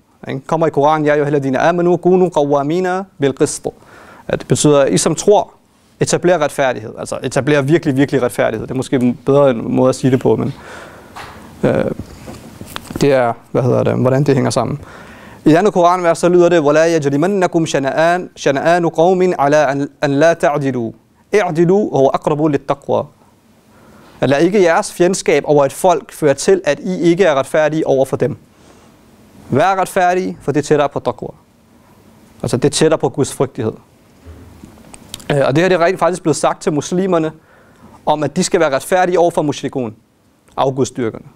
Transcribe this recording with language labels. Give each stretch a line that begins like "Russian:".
Danish: Den kommer i Koranen, jeg er jo heller dine
Arabic: amanu, gunu, qawamina, bilqist.
Danish: Det betyder, at I som tror, etablerer retfærdighed. Altså etablerer virkelig, virkelig retfærdighed. Det er måske bedre en måde at sige det på, men det er, hvordan det hænger sammen. I andet koranvers, så lyder det,
Arabic: وَلَا يَجْرِمَنَّكُمْ شَنَآنُ قَوْمٍ عَلَىٰ أَنْ لَا تَعْدِلُوا اِعْدِلُوا هُوَ أَقْرَبُوا لِلتَّقْوَى.
Danish: At lad ikke jeres fjendskab over et folk føre til, at I ikke er retfærdige over for dem. Vær retfærdige, for det tætter på taqwa. Altså det tætter på Guds frygtighed. Og det her det er rent faktisk blevet sagt til muslimerne, om at de skal være retfærdige over for mushrikun, afgudsdyrkerne.